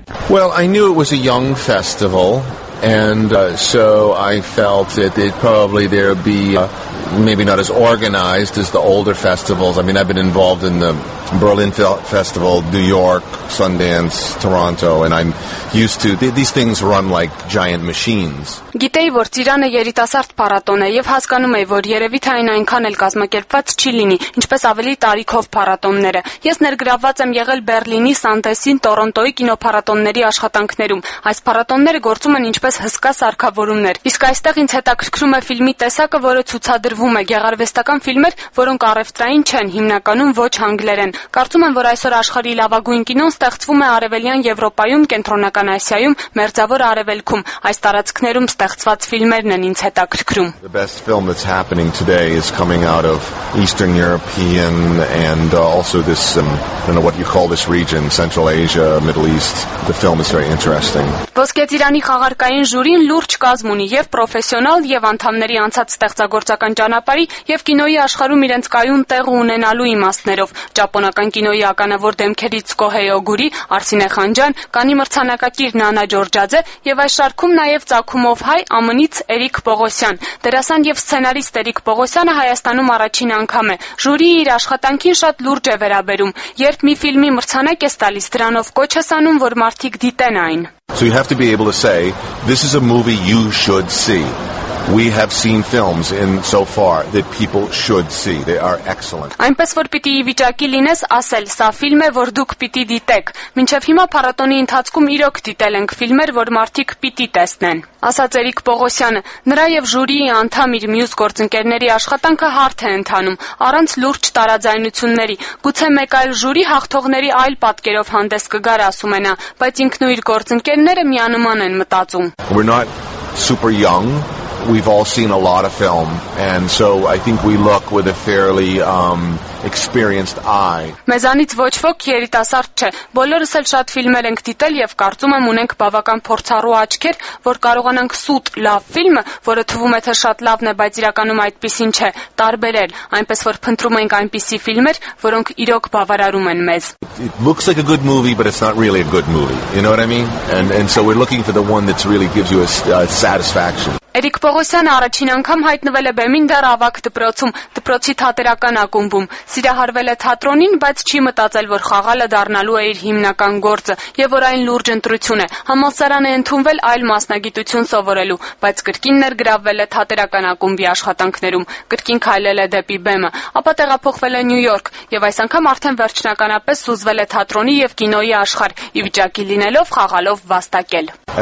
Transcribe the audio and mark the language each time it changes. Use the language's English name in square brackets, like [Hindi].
[English] Well, I knew it was a young festival, and so I felt that it probably there be maybe not as organized as the older festivals. I mean, I've been involved in the Berlin Festival, New York, Sundance, Toronto, and I'm used to these things run like giant machines. [Armenian] Գիտեի, որ Ծիրանը երիտասարդ փառատոն է, եւ հասկանում եի, որ երևի թե այնքան էլ կազմակերպված չի լինի, ինչպես ավելի տարիքով փառատոնները։ Ես ներգրավված եմ եղել Բեռլինի, Սանդեսին, Տորոնտոյի կինոփառատոնների աշխատանքներում։ Այս փառատոնները գործում են ինչպես հսկա սարքավորումներ, իսկ այստեղ ինձ հետաքրքրում է ֆիլմի տեսակը, որը ցուցադրվում է, գեղարվեստական ֆիլմեր, որոնք առևտրային չեն, հիմնականում ոչ անգլերեն։ Կարծում եմ, որ այսօր աշխարհի լավագույն կինոն ստեղծվում է արևելյան Եվրոպայում, կենտրոնական Ասիայում, մերձավոր արևելքում։ Այս տարածքներում ստեղծված ֆիլմերն են ինձ հետաքրքրում։ [English] The best film that's happening today is coming out of Eastern European and also this I don't know what you call this region, Central Asia, Middle East. The film is very interesting. [Armenian] Ոսկե Ծիրանի խաղարկային ժյուրին լուրջ կազմ ունի, եւ պրոֆեսիոնալ, եւ անդամների անցած ստեղծագործական ճանաչում ճանապարհի եւ կինոյի աշխարհում իրենց կայուն տեղ ունենալու իմաստներով։ Ճապոնական կինոյի ականավոր դեմքերից Կոհեյո Գուրի, Արսինե Խանջան, կանի մրցանակակիր Նանա Ջորջաձե եւ այս շարքում նաեւ ծագումով հայ ԱՄՆ-ից Էրիկ Պողոսյան։ Դերասան եւ սցենարիստ Էրիկ Պողոսյանը Հայաստանում առաջին անգամ է։ Ժյուրիի իր աշխատանքին շատ լուրջ է վերաբերում, երբ մի ֆիլմի մրցանակ է տալիս, դրանով կոչ է սանում, որ մարդիկ դիտեն այն։ [English] So you have to be able to say, this is a movie you should see. We have seen films in so far that people should see. They are excellent. [Armenian] Այնպես որ պիտի վիճակի լինես ասել, սա ֆիլմ է, որ դուք պիտի դիտեք։ Մինչև հիմա փառատոնի ընթացքում իրոք դիտել ենք ֆիլմեր, որ մարդիկ պիտի տեսնեն։ Ասաց Էրիկ Պողոսյանը, նրա եւ ժյուրիի անդամ իր մյուս գործընկերների աշխատանքը հարթ է ընթանում, առանց լուրջ տարաձայնությունների։ Գուցե մեկ այլ ժյուրի հաղթողների այլ պատկերով հանդես կգար, ասում ենա, բայց ինքն ու իր գործընկերները միանման են մտածում։ [English] We're not super young. We've all seen a lot of film, and so I think we look with a fairly experienced eye. [Armenian] Մեզանից ոչ ոք երիտասարդ չէ, բոլորս էլ շատ ֆիլմեր ենք դիտել եւ կարծում եմ ունենք բավական փորձառու աչքեր, որ կարողանանք սուտ լավ ֆիլմը, որը թվում է թե շատ լավն է, բայց իրականում այդպեսին չէ, տարբերել, այնպես որ փնտրում ենք այնպիսի ֆիլմեր, որոնք իրոք բավարարում են մեզ. [English] It looks like a good movie, but it's not really a good movie. You know what I mean? And so we're looking for the one that really gives you a satisfaction. [Armenian] Էրիկ Պողոսյանը առաջին անգամ հայտնվել է Բեմինդար ավակ դպրոցում, դպրոցի թատերական ակումբում։ Սիրահարվել է թատրոնին, բայց չի մտածել, որ խաղալը դառնալու է իր հիմնական գործը, եւ որ այն լուրջ ընտրություն է։ Համալսարան է ընդունվել այլ մասնագիտություն սովորելու, բայց կրկին ներգրավվել է թատերական ակումբի աշխատանքներում։ Կրկին քայլել է դեպի Բեմը, ապա տեղափոխվել է Նյու Յորք, եւ այս անգամ արդեն վերջնականապես սուզվել է թատրոնի եւ կինոյի աշխարհ՝ ի վիճակի լինելով խաղալով վաստակել։